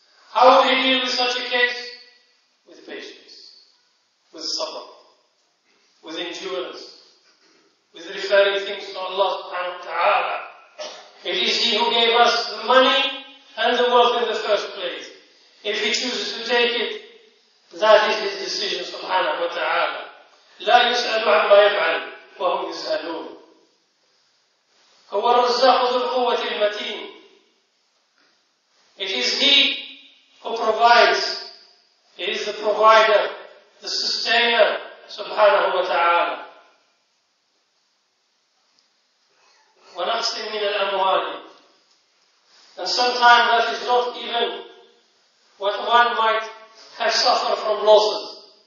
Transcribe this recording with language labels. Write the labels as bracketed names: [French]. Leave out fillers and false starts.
[English] How do you deal with such a case? With patience, with sabr, with endurance, with referring things to Allah subhanahu wa ta'ala. It is He who gave us the money and the wealth in the first place. If He chooses to take it, that is His decision subhanahu wa ta'ala. [Arabic] لا يسأل عما يفعل وهم يسألون. هو الرزاق ذو القوة المتين. [English] It is He who provides. He is the provider, the sustainer, [Arabic] سبحانه وتعالى. ونقص من الأموال. [English] And sometimes that is not even what one might have suffered from losses.